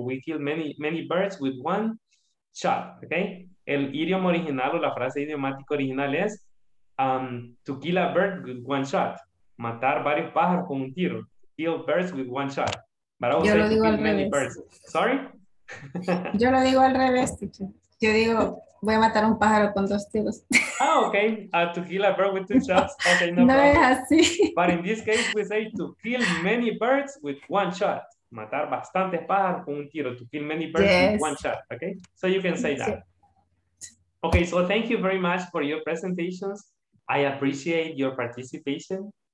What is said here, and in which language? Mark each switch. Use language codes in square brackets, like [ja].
[en] We kill many, many birds with one shot, okay? [es] El idioma original o la frase idiomática original es [en] to kill a bird with one shot. [es] Matar varios pájaros con un tiro. [en] Kill birds with one shot. But I would say to kill many birds. Sorry? [es] Yo lo digo al revés, teacher. Yo digo, voy a matar un pájaro con dos tiros. [en] Ah, okay. To kill a bird with two shots. [es] Okay, no, no es así. [en] But in this case, we say to kill many birds with one shot. [es] Matar bastantes pájaros con un tiro. [en] To kill many birds with one shot. [es] Okay? So you can say that. [en] Okay, so thank you very much for your presentations. I appreciate your participation.